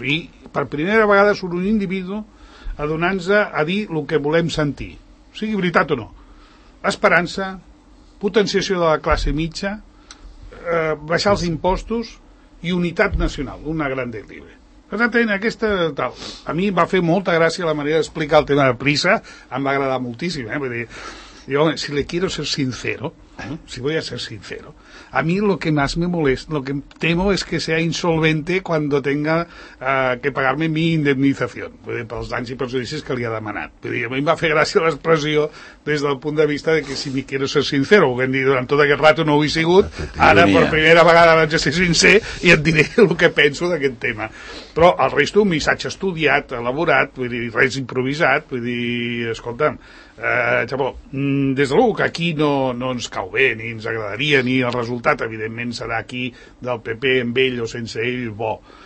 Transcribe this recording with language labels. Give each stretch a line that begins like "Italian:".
Catalan: I per primera vegada surt un individu adonant-se a dir el que volem sentir. O sigui, veritat o no. Esperança, potenciació de la classe mitja, baixar els impostos i unitat nacional, una gran delibre. Aquesta, tal. A mi va fer molta gràcia la manera d'explicar el tema de prisa, em va agradar moltíssim, eh? Vull dir, jo,
Spanish: si le quiero ser sincero, si voy a ser sincero, a mí lo que más me molesta, lo que temo es que sea insolvente cuando tenga que pagarme mi indemnización,
Catalan: vull dir, pels danys i perjudicis que li ha demanat. Vull dir, a mi em va fer gràcia l'expressió des del punt de vista de que
Spanish: si me quiero ser sincero,
Catalan: ho vam dir durant tot aquest rato, no ho he sigut, ara per primera vegada vaig a ser sincer i et diré el que penso d'aquest tema. Però el resto, un missatge estudiat, elaborat, vull dir, res improvisat, vull dir, escolta'm, des de luego que aquí no ens cau bé, ni ens agradaria, ni el resultat evidentment serà aquí del PP amb ell o sense ell, bo,